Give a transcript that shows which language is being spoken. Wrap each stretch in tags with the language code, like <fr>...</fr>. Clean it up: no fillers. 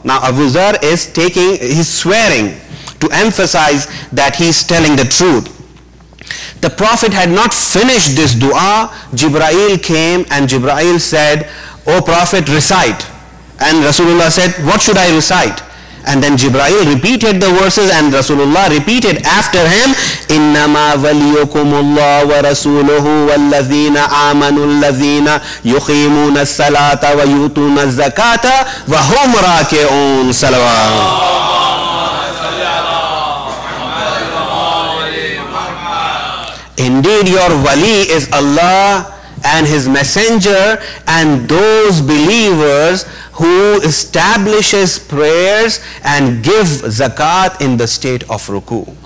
<en>Now Abu Zar is taking, he's swearing to emphasize that he's telling the truth. The Prophet had not finished this dua. Jibrail came and Jibrail said, O Prophet, recite. And Rasulullah said, what should I recite? And then Jibrail repeated the verses and Rasulullah repeated after him,</en> <ar>إِنَّمَا وَلِيُّكُمُ اللَّهُ وَرَسُولُهُ وَالَّذِينَ آمَنُوا الَّذِينَ يُقِيمُونَ الصَّلَاةَ وَيُؤْتُونَ الزَّكَاةَ وَهُمْ رَاكِعُونَ صَلَوَاتٌ.</ar> <en>Indeed, your wali is Allah and his messenger and those believers who establishes prayers and give zakat in the state of ruku.</en>